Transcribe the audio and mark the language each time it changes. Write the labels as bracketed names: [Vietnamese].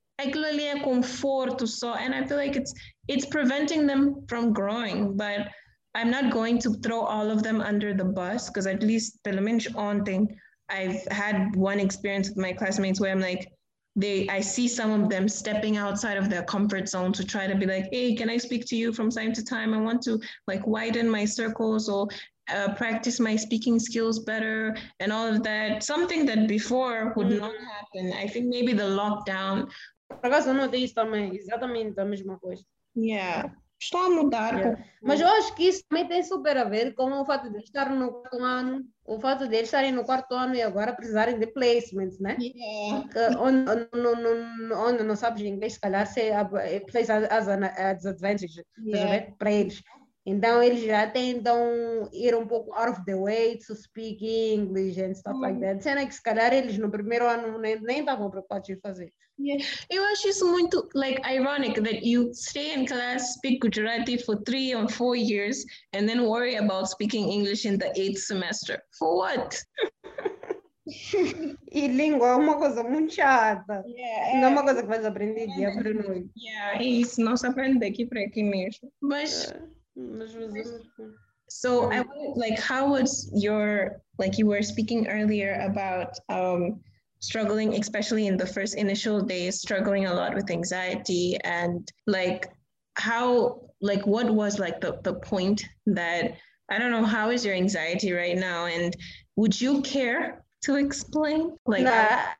[Portuguese] Aquilo ali é conforto só, [English] and I feel like it's preventing them from growing, but I'm not going to throw all of them under the bus, because at least [Portuguese] pelo menos ontem [English] I've had one experience with my classmates where I'm like, I see some of them stepping outside of their comfort zone to try to be like, hey, can I speak to you from time to time? I want to like widen my circles or practice my speaking skills better and all of that. Something that before would not happen. I think maybe the lockdown. [Portuguese] Por acaso eu notei isso também, exatamente a mesma coisa. Está a mudar com. Mas eu acho que isso também tem super a ver com o fato de estar no quarto ano, o fato de estarem no quarto ano e agora precisarem de placements, né? Que onde não sabes inglês, se calhar você fez as advantages, estás a ver? Para eles. Então eles já tentam ir um pouco [English] out of the way to speak English and stuff like that. [Portuguese] Sendo que se calhar eles no primeiro ano nem estavam preocupados em fazer. Eu acho isso muito [English] like ironic that you stay in class, speak Gujarati for 3 or 4 years, and then worry about speaking English in the eighth semester. For what? [Portuguese] E língua é uma coisa muito chata. Não é uma coisa que vais aprender dia para noite. Isso não se aprende daqui para aqui mesmo. Mas Mas [English] so I like how was your like you were speaking earlier about struggling, especially in the first initial days, struggling a lot with anxiety and like how like what was like the point that I don't know, how is your anxiety right now, and would you care to explain like how.